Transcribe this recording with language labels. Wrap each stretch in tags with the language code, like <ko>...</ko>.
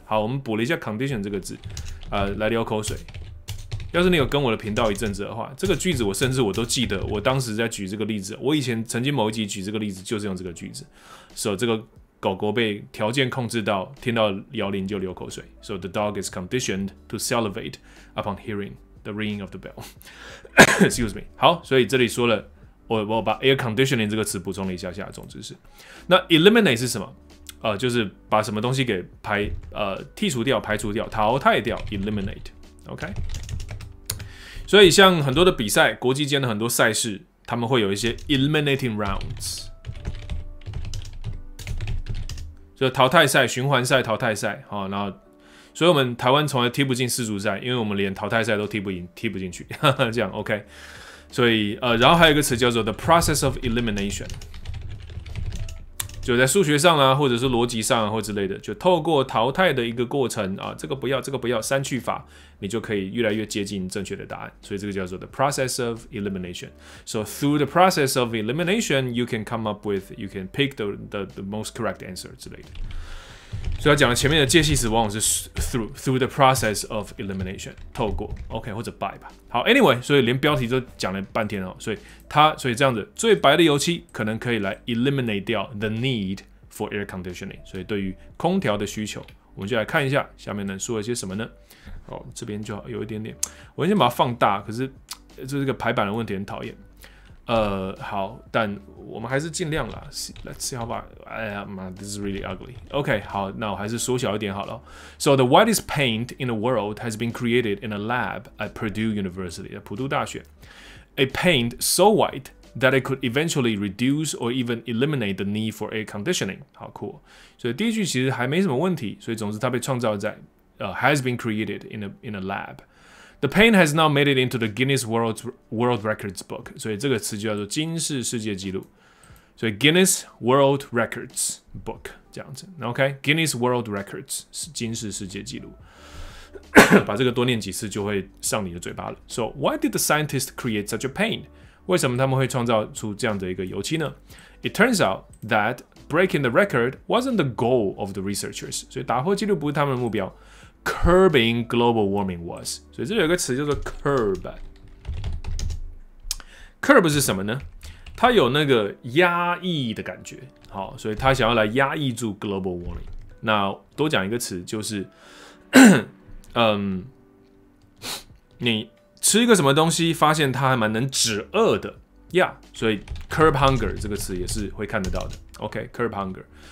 <zh>好，我们补了一下 condition 这个字，来流口水。要是你有跟我的频道一阵子的话，这个句子我甚至我都记得，我当时在举这个例子，我以前曾经某一集举这个例子就是用这个句子。 So 这个狗狗被条件控制到听到摇铃就流口水。</zh> <en>So the dog is conditioned to salivate upon hearing the ringing of the bell. Excuse me.</en> <zh>好，所以这里说了，我把 air conditioning 这个词补充了一下下总知识。那 eliminate 是什么？就是把什么东西给剔除掉、排除掉、淘汰掉 ，eliminate。OK。所以像很多的比赛，国际间的很多赛事，他们会有一些 eliminating rounds， 就淘汰赛、循环赛、淘汰赛。好，然后，所以我们台湾从来踢不进四足赛，因为我们连淘汰赛都踢不赢、踢不进去。这样 OK。所以然后还有一个词叫做</zh> <en>the process of elimination。</en> <zh>就在数学上啊，或者是逻辑上啊，或之类的，就透过淘汰的一个过程啊，这个不要，这个不要，删去法，你就可以越来越接近正确的答案。所以这个叫做</zh> <en>the process of elimination. So through the process of elimination, you can come up with, you can pick the most correct answer</en> <zh>之类的。所以他讲的前面的介系词往往是</zh> <en>through the process of elimination，</en> <zh>透过 OK 或者 by 吧。好 ，</zh> <en>Anyway，</en> <zh>所以连标题都讲了半天哦。所以这样子，最白的油漆可能可以来 eliminate 掉</zh> <en>the need for air conditioning。</en> <zh>所以对于空调的需求，我们就来看一下下面能说了些什么呢？哦，这边就有一点点，我先把它放大，可是这是个排版的问题，很讨厌。好，但我们还是尽量啦。</zh> <en>Let's see how about.</en> <zh>哎呀妈</zh> <en>，this is really ugly.</en> <zh>OK， 好，那我还是缩小一点好了。</zh> <en>So the whitest paint in the world has been created in a lab at Purdue University， 普渡大学。 A paint so white that it could eventually reduce or even eliminate the need for air conditioning。</en> <zh>好酷、哦。所以第一句其实还没什么问题。所以总之，它被创造在</zh> <en>has been created in a lab。 The paint has now made it into the Guinness World Records book.</en> <zh>所以这个词就叫做吉尼斯世界纪录。所以 Guinness World Records book 这样子。 OK， Guinness World Records 是吉尼斯世界纪录。把这个多念几次就会上你的嘴巴了。</zh> <en>So why did the scientist create such a paint?</en> <zh>为什么他们会创造出这样的一个油漆呢？</zh> <en>It turns out that breaking the record wasn't the goal of the researchers.</en> <zh>所以打破纪录不是他们的目标。</zh> <en>Curbing global warming was，</en> <zh>所以这里有一个词叫做 curb。 Curb 是什么呢？它有那个压抑的感觉，好，所以它想要来压抑住 global warming。那多讲一个词就是你吃一个什么东西，发现它还蛮能止饿的呀， yeah， 所以 curb hunger 这个词也是会看得到的。OK，curb hunger。</zh>